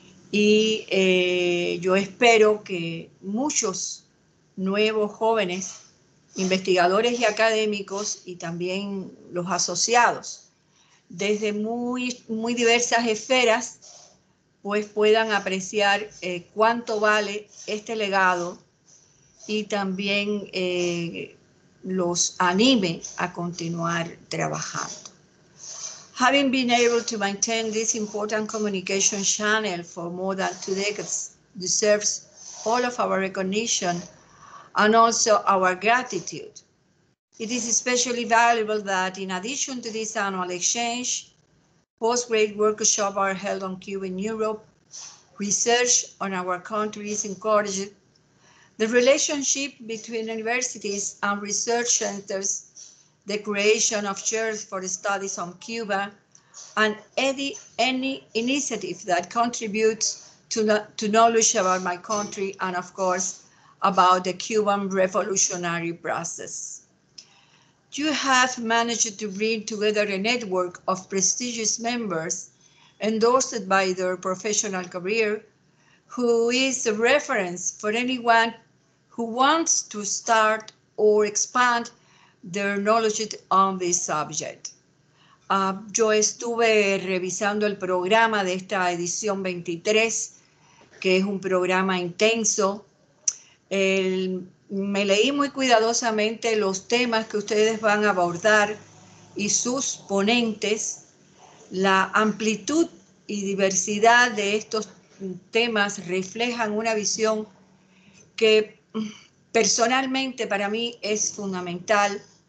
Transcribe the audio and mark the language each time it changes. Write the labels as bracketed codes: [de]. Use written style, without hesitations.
[es] Y yo espero que muchos nuevos jóvenes investigadores y académicos, y también los asociados, desde muy, muy diversas esferas, pues puedan apreciar cuánto vale este legado y también los anime a continuar trabajando. [en] Having been able to maintain this important communication channel for more than two decades deserves all of our recognition and also our gratitude. It is especially valuable that in addition to this annual exchange, post-grad workshops are held on Cuba in Europe. Research on our country is encouraged. The relationship between universities and research centers, the creation of chairs for studies on Cuba, and any initiative that contributes to knowledge about my country and, of course, about the Cuban revolutionary process. You have managed to bring together a network of prestigious members endorsed by their professional career, who is a reference for anyone who wants to start or expand their knowledge on this subject. [es] Yo estuve revisando el programa de esta edición 23, que es un programa intenso. Me leí muy cuidadosamente los temas que ustedes van a abordar y sus ponentes, la amplitud y diversidad de estos temas reflejan una visión que personalmente para mí es fundamental,